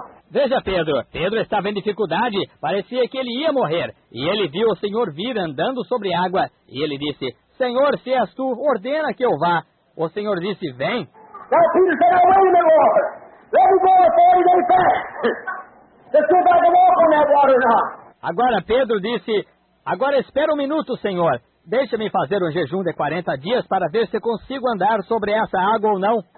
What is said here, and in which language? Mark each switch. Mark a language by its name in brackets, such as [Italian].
[Portuguese] Veja Pedro, Pedro estava em dificuldade, parecia que ele ia morrer. E ele viu o Senhor vir andando sobre água, e ele disse: Senhor, se és tu, ordena que eu vá. O Senhor disse: vem. [English] Now Peter said, oh, wait a minute, Lord. Let me go 40 days fast. Let's go back and walk on that water now. [Portuguese] Agora Pedro disse: agora espera um minuto, Senhor. Deixa-me fazer um jejum de 40 dias para ver se consigo andar sobre essa água ou não.